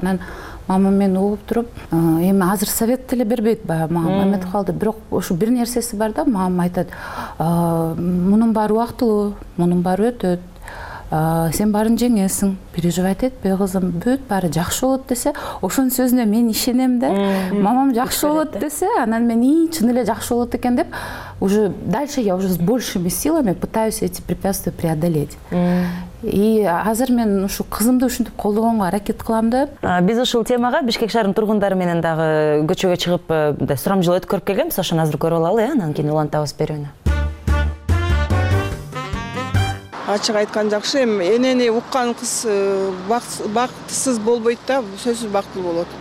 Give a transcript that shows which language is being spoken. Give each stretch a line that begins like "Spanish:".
Kyrgyz: Анан мама мен угуп туруп, эми азыр совет деле бербейт баягы мага, мамытып калды, бирок ушу бир нерсеси бар да, мама айтат: "Мунун баары убактылуу, мунун баары өтөт. Сен баарын жеңесиң, переживать этпе кызым, бүт баары жакшы болот" десе, ошонун сөзүнө мен ишенем да. Мамам жакшы болот десе, анан мен и чын эле жакшы болот экен деп
Russian: уже дальше я уже с большими силами пытаюсь эти препятствия преодолеть.
Kyrgyz: И азыр мен ушу кызымды ушинтип колдогонго аракет кылам да. Биз ушул темага Бишкек шаарынын тургундары менен дагы көчөгө чыгып мындай сурам жолу өткөрүп келгенбиз, ошону азыр көрүп алалы, анан кийин улантабыз берүүнү. Ачык айткан жакшы, эми энени уккан кыз бактысыз болбойт да, сөзсүз бактылуу болот.